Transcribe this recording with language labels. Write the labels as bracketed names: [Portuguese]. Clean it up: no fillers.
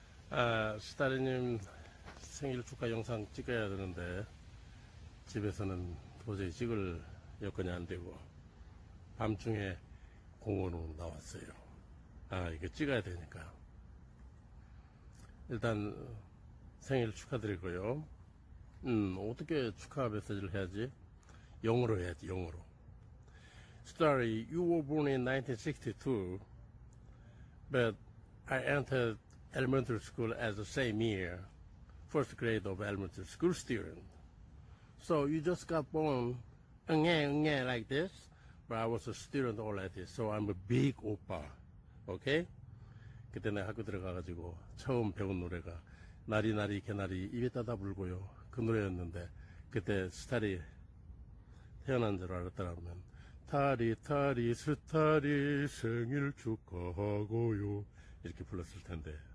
[Korean] 아, 스타리님 생일 축하 영상 찍어야 되는데 집에서는 도저히 찍을 여건이 안 되고 밤중에 공원으로 나왔어요. 아, 이거 찍어야 되니까 일단 생일 축하드리고요. 어떻게 축하 메시지를 해야지? 영어로 해야지. 영어로. [English] Starry, you were born in 1962, but I entered elementary school as the same year. First grade of elementary school student. So you just got born, like this, but I was a student already. So I'm a big oppa. Okay? [Korean] 그때 내가 학교 들어가가지고 처음 배운 노래가 나리 나리 개나리 입에 따다 불고요. 그 노래였는데 그때 스타리 태어난 줄 알았더라면 타리 타리 스타리 생일 축하하고요. 이렇게 불렀을 텐데.